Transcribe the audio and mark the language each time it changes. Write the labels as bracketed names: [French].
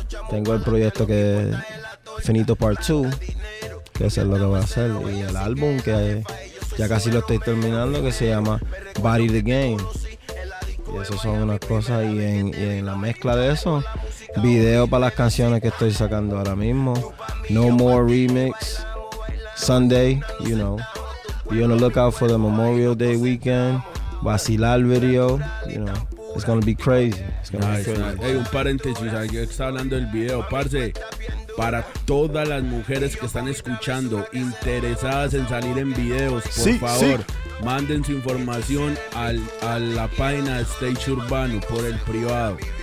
[Spanish] Tengo el proyecto que es Finito Part 2, que eso es lo que voy a hacer. Y el álbum que ya casi lo estoy terminando, que se llama Body the Game. Y eso son unas cosas. Y en la mezcla de eso, video para las canciones que estoy sacando ahora mismo. [English] No More Remix, Sunday, you know. Be on the lookout for the Memorial Day weekend. [Spanish] Vacilar [English] video, you know. It's gonna be crazy. It's gonna nice, be crazy. Nice. [Spanish] Hey, un paréntesis, yo estaba hablando del video, parce. Para todas las mujeres que están escuchando, interesadas en salir en videos, por favor, manden su información a la página Stage Urbano por el privado.